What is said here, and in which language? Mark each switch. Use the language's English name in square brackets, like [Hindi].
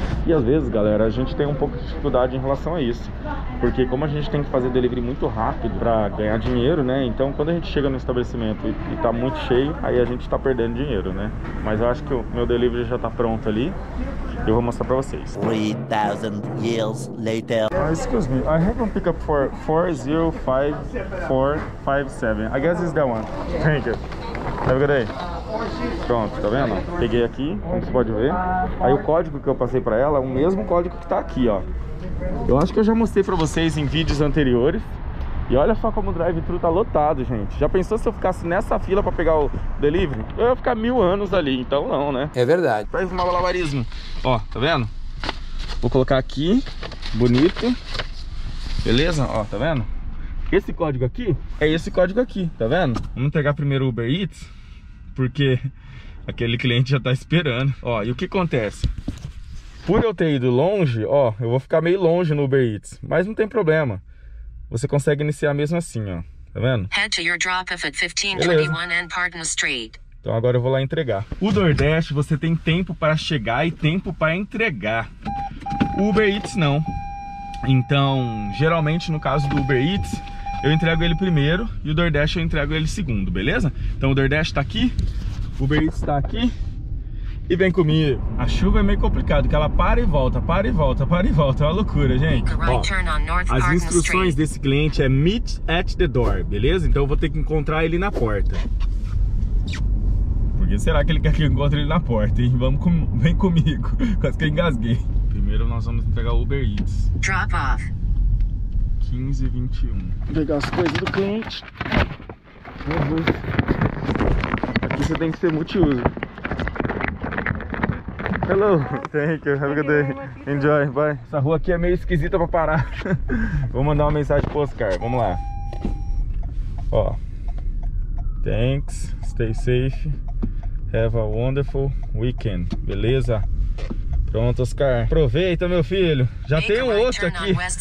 [Portuguese] E às vezes, galera, a gente tem um pouco de dificuldade em relação a isso, porque como a gente tem que fazer delivery muito rápido pra ganhar dinheiro, né? Então quando a gente chega no estabelecimento e tá muito cheio, aí a gente tá perdendo dinheiro, né? Mas eu acho que o meu delivery já tá pronto ali. Eu vou mostrar pra vocês. [English] 3.000 years later. Excuse me, I have a pickup for 405457. I guess it's that one. Thank you. Have a good day. [Portuguese] Pronto, tá vendo? Peguei aqui, como você pode ver. Aí o código que eu passei pra ela é o mesmo código que tá aqui, ó. Eu acho que eu já mostrei pra vocês em vídeos anteriores. E olha só como o drive-thru tá lotado, gente. Já pensou se eu ficasse nessa fila pra pegar o delivery? Eu ia ficar 1000 anos ali, então não, né? É verdade. Faz um malabarismo. Ó, tá vendo? Vou colocar aqui, bonito. Beleza? Ó, tá vendo? Esse código aqui é esse código aqui, tá vendo? Vamos pegar primeiro o Uber Eats, porque aquele cliente já tá esperando. Ó, e o que acontece? Por eu ter ido longe, ó, eu vou ficar meio longe no Uber Eats, mas não tem problema. Você consegue iniciar mesmo assim, ó. Tá vendo? [English] Head to your drop-off at 1521 and Parton Street. [Portuguese] Então agora eu vou lá entregar. O DoorDash, você tem tempo para chegar e tempo para entregar. O Uber Eats não. Então, geralmente no caso do Uber Eats, eu entrego ele primeiro e o DoorDash eu entrego ele segundo, beleza? Então o DoorDash tá aqui, o Uber Eats tá aqui. E vem comigo. A chuva é meio complicado, que ela para e volta, para e volta, para e volta. É uma loucura, gente. Ó, as instruções desse cliente é [English] meet at the door, [Portuguese] beleza? Então eu vou ter que encontrar ele na porta. Por que será que ele quer que eu encontre ele na porta, hein? Vamos com... Vem comigo. Quase que eu engasguei. Primeiro nós vamos pegar o Uber Eats. [English] Drop off. 15:21. [Portuguese] Vou pegar as coisas do cliente. Aqui você tem que ser multiuso. [English] Hello, thank you, have a good day, enjoy, bye. [Portuguese] Essa rua aqui é meio esquisita pra parar. Vou mandar uma mensagem pro Oscar, vamos lá. [English] Ó, thanks, stay safe, have a wonderful weekend, [Portuguese] beleza? Pronto, [English] Oscar. [Portuguese] Aproveita, meu filho. Já tem um outro aqui.